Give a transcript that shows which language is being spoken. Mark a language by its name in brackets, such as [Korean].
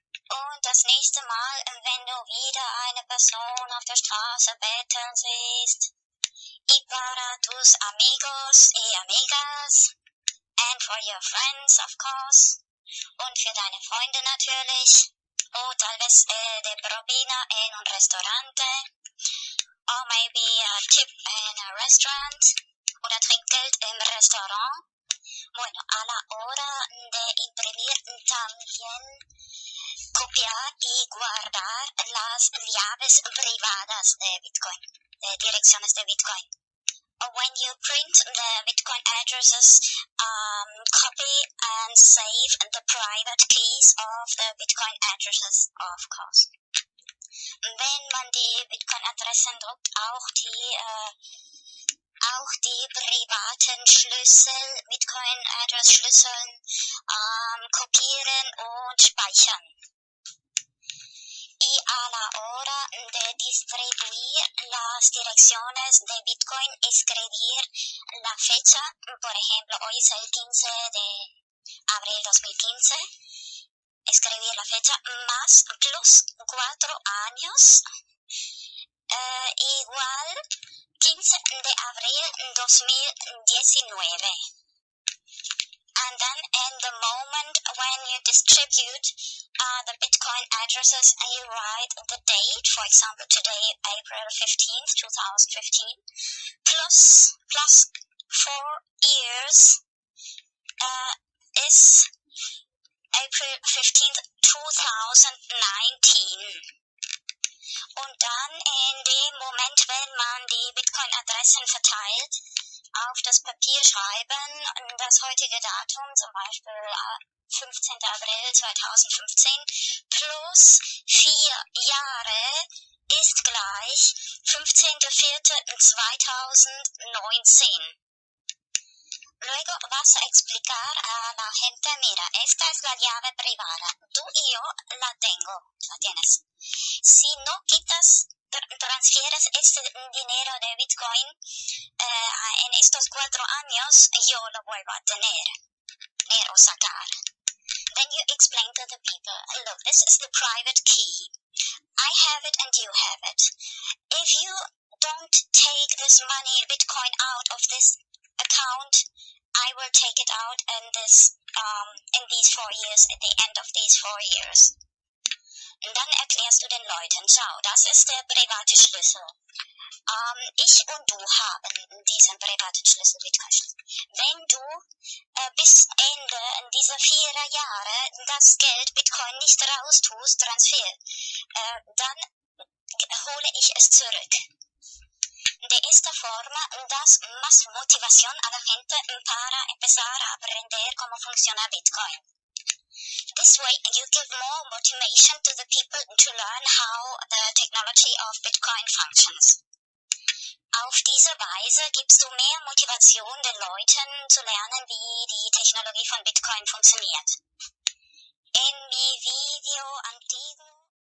[German] und das nächste Mal, wenn du wieder eine Person auf der Straße betteln siehst, [Spanish] y para tus amigos y amigas, [English] and for your friends, of course, [German] und für deine Freunde natürlich, [Spanish] o tal vez de propina en un restaurante, [English] or maybe a tip in a restaurant, [German] oder Trinkgeld im Restaurant. [Spanish] Bueno, a la hora de imprimir también copiar y guardar las llaves privadas de Bitcoin, de direcciones de Bitcoin. [English] When you print the Bitcoin addresses, copy and save the private keys of the Bitcoin addresses, of course. [German] Wenn man die Bitcoin-Adressen druckt, auch die privaten Schlüssel, Bitcoin-Address-Schlüssel, kopieren und speichern. [Spanish] Y a la hora de distribuir las direcciones de Bitcoin, escribir la fecha, por ejemplo, hoy es el 15 de abril 2015, escribir la fecha más plus 4 años, igual 15 de abril 2019. [English] And then in the moment when you distribute the Bitcoin addresses, you write the date, for example, today, April 15th, 2015, plus 4 years, is April 15th, 2019. [German] Und dann in dem Moment, wenn man die Bitcoin-Adressen verteilt, auf das Papier schreiben, das heutige Datum, zum Beispiel 15. April 2015, plus 4 Jahre ist gleich 15.04.2019. [Spanish] Luego vas a explicar a la gente, mira, esta es la llave privada, tú y yo la tengo, la tienes. Si no quitas, transfieres este dinero de Bitcoin en estos 4 años, yo lo vuelvo a tener o sacar. [English] Then you explain to the people, look, this is the private key. I have it and you have it. If you don't take this money, Bitcoin, out of this account, I will take it out in this in these 4 years, at the end of these 4 years. [German] Und dann erklärst du den Leuten, schau, das ist der private Schlüssel. Ich und du haben diesen privaten Schlüssel, Bitcoin-Schlüssel. Wenn du bis Ende dieser 4 Jahre das Geld Bitcoin nicht raus tust, Transfer, dann hole ich es zurück. [Spanish] De esta forma das más motivación a la gente para empezar a aprender cómo funciona Bitcoin. [English] This way, you give more motivation to the people to learn how the technology of Bitcoin functions. [German] Auf diese Weise gibst du mehr Motivation den Leuten zu lernen, wie die Technologie von Bitcoin funktioniert. [Spanish] In mi video antiguo.